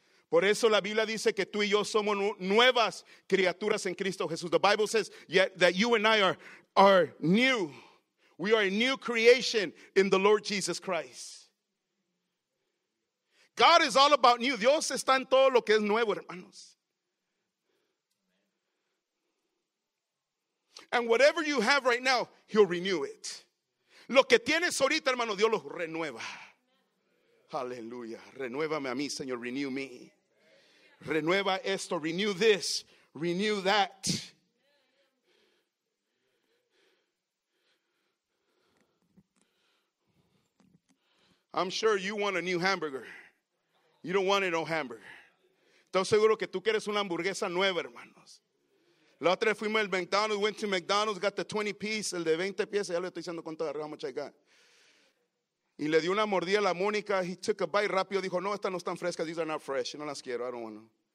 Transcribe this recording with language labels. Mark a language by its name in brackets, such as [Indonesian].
[Spanish] Por eso la Biblia dice que tú y yo somos nuevas criaturas en Cristo Jesús. [English] The Bible says that you and I are new. We are a new creation in the Lord Jesus Christ. God is all about new. [Spanish] Dios está en todo lo que es nuevo, hermanos. [English] And whatever you have right now, He'll renew it. [Spanish] Lo que tienes ahorita, hermano, Dios lo renueva. Hallelujah. Renuévame a mí, Señor. [English] Renew me. [Spanish] Renueva esto. [English] Renew this. Renew that. I'm sure you want a new hamburger. You don't want an old hamburger. [Spanish] Estoy seguro que tú quieres una hamburguesa nueva, hermanos. La otra vez fuimos al McDonald's, [English] went to McDonald's, got the 20 piece, [Spanish] el de 20 piezas, ya le estoy diciendo cuánto agarramos, [English] check out. [Spanish] Y le dio una mordida a la Mónica, [English] he took a bite [Spanish] rápido, dijo, no, estas no están frescas, [English] these are not fresh, [Spanish] no las quiero, [English] I don't want them.